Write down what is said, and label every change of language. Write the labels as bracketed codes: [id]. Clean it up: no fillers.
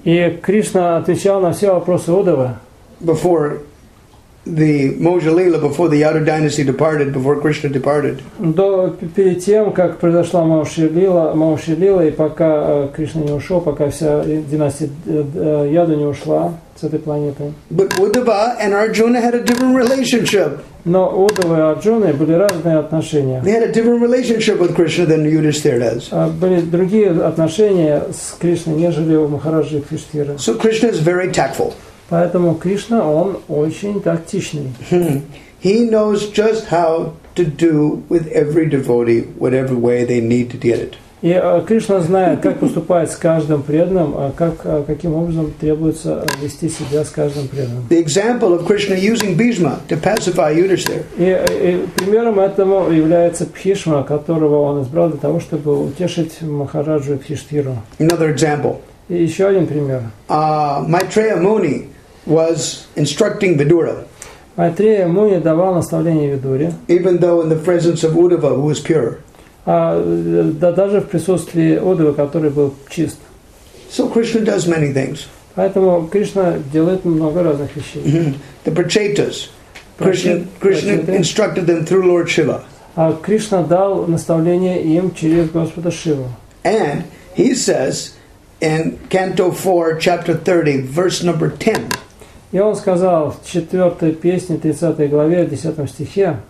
[ru] И Кришна отвечал на все вопросы Удава. [en] Before the Moja Lila, before the Yadu dynasty departed, before Krishna departed. [ru] До перед тем, как произошла Мауши Лила, и пока Кришна не ушел, пока вся династия Яду не ушла с этой планеты. [en] But Uddhava and Arjuna had a different relationship. [ru] Но Удава и Арджуна были разные отношения. [en] They had a different relationship with Krishna than Yudhisthira does. [ru] Были другие отношения с Кришной, нежели у Махараджи Юдхиштхиры. [en] So Krishna is very tactful. [ru] Поэтому Кришна, он очень тактичный. [en] He knows just how to do with every devotee whatever way they need to get it. [ru] И Кришна знает, как поступать с каждым преданным, каким образом требуется вести себя с каждым преданным. [en] The example of Krishna using Bhishma to pacify Yudhisthira. [ru] И примером этому является Бхишма, которого он избрал для того, чтобы утешить Махараджу Юдхиштхиру. [en] Another example. [ru] И еще один пример. [en] Maitreya Muni was instructing Vidura. [ru] Maitreya Muni давал наставление Видуре. [en] Even though in the presence of Uddhava, who was pure. [ru] Да даже в присутствии Удава, который был чист. [en] So Krishna does many things. [ru] Поэтому Кришна делает много разных вещей. Mm-hmm. [en] The Prachetas. Krishna instructed them through Lord Shiva. [ru] Кришна дал наставление им через Господа Шиву. [en] And he says in Canto 4, Chapter 30, Verse Number 10. [ru] И он сказал в 4 песне, 30 главе, 10 стихе.